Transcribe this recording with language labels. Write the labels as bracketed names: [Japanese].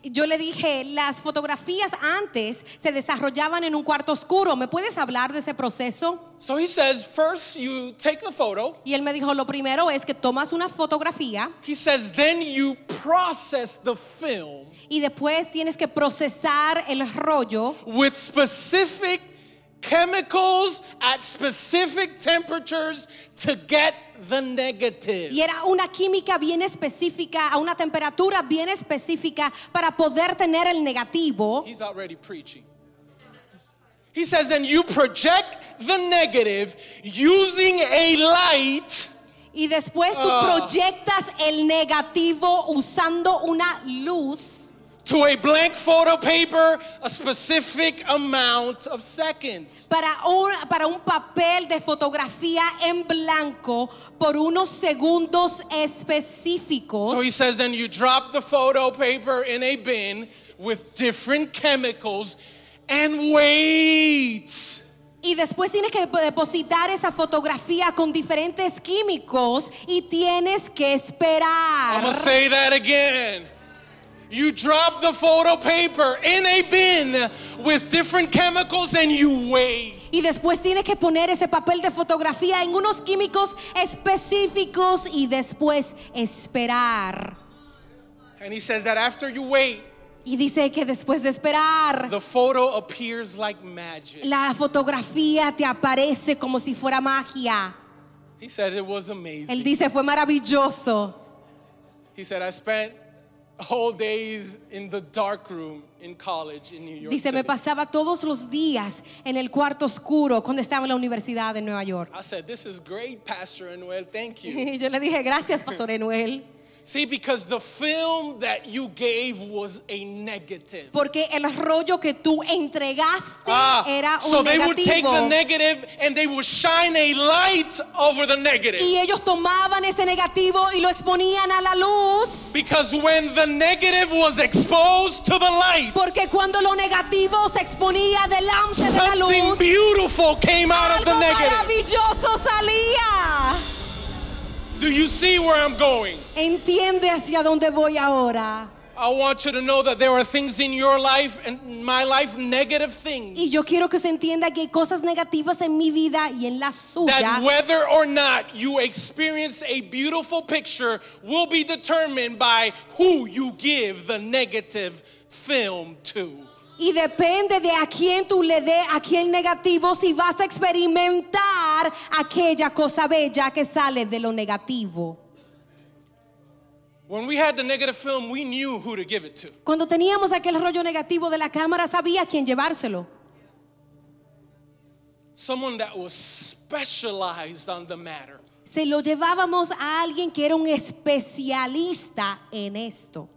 [Spanish] Yo le dije, las fotografías antes se desarrollaban en un cuarto oscuro. ¿Me puedes hablar de ese proceso? [English] So he says, first you take the photo. [Spanish] Y él me dijo, lo primero es que tomas una fotografía. [English] He says, then you process the film. [Spanish] Y después tienes que procesar el rollo. [English] With specific chemicals at specific temperatures to get the negative. [Spanish] Y era una química bien específica, a una temperatura bien específica para poder tener el negativo. [English] He's already preaching. He says, then you project the negative using a light. [Spanish] Y después tú proyectas el negativo usando una luz. [English] To a blank photo paper, a specific amount of seconds. [Spanish] Para un papel de fotografía en blanco por unos segundos específicos. [English] So he says, then you drop the photo paper in a bin with different chemicals and wait. [Spanish] Y después tienes que depositar esa fotografía con diferentes químicos y tienes que esperar. [English] I'm gonna say that again. You drop the photo paper in a bin with different chemicals and you wait. [Spanish] Y después tienes que poner ese papel de fotografía en unos químicos específicos y después esperar. [English] And he says that after you wait, [Spanish] y dice que después de esperar, [English] the photo appears like magic. [Spanish] La fotografía te aparece como si fuera magia. [English] He said it was amazing. [Spanish] Él dice fue maravilloso. [English] He said I spent whole days in the dark room in college in New York. [Spanish] Dice, me pasaba todos los días en el cuarto oscuro cuando estaba en la universidad de Nueva York. [English] I said, this is great, Pastor Enuel. Thank you. [Spanish] Yo le dije, gracias, Pastor Enuel. [English] See, because the film that you gave was a negative. [Spanish] Porque el rollo que tú entregaste era un [English] negativo. So they would take the negative and they would shine a light over the negative. [Spanish] Y ellos tomaban ese negativo y lo exponían a la luz. [English] Because when the negative was exposed to the light, [Spanish] porque cuando lo negativo se exponía delante de la luz, [English] something beautiful came out of the negative. [Spanish] Algo maravilloso salía. [English] Do you see where I'm going? [Spanish] ¿Entiende hacia dónde voy ahora? [English] I want you to know that there are things in your life and my life, negative things. [Spanish] Y yo quiero que se entienda que hay cosas negativas en mi vida y en la suya. [English] That whether or not you experience a beautiful picture will be determined by who you give the negative film to. [Spanish] Y depende de a quién tú le dé aquel negativo si vas a experimentar aquella cosa bella que sale de lo negativo. [English] When we had the negative film, we knew who to give it to. [Spanish] Cuando teníamos aquel rollo negativo de la cámara, sabía quién llevárselo. [English] Someone that was specialized on the matter. [Spanish] se lo llevábamos a alguien que era un especialista en esto.